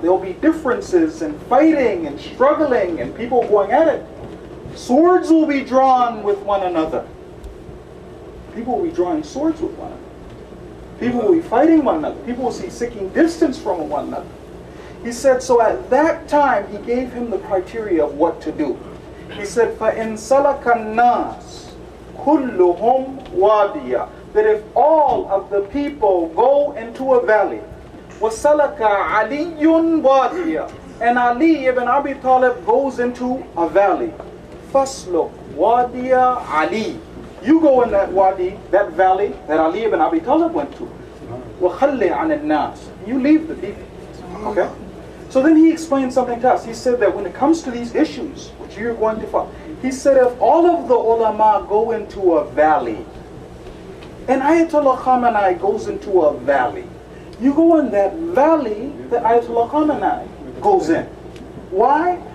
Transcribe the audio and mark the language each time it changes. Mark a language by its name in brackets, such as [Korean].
[English] There will be differences and fighting and struggling and people going at it. Swords will be drawn with one another. People will be drawing swords with one another. People will be fighting one another. People will be seeking distance from one another. He said, so at that time, he gave him the criteria of what to do. He said, [Arabic] فَإِنْ سَلَكَ النَّاسِ كُلُّهُمْ وَادِيَا. [English] That if all of the people go into a valley, [Arabic] وَسَلَكَ عَلِيٌّ وَادِيَا. [English] And Ali ibn Abi Talib goes into a valley. [Arabic] فَسْلُكْ وَادِيَا Ali. [English] You go in that wadi, that valley that Ali ibn Abi Talib went to. [Arabic] وَخَلِّ عَنِ النَّاسِ. [English] You leave the people. Okay? So then he explained something to us. He said that when it comes to these issues, which you're going to follow, he said if all of the ulama go into a valley, and Ayatollah Khamenei goes into a valley, you go in that valley that Ayatollah Khamenei goes in. Why?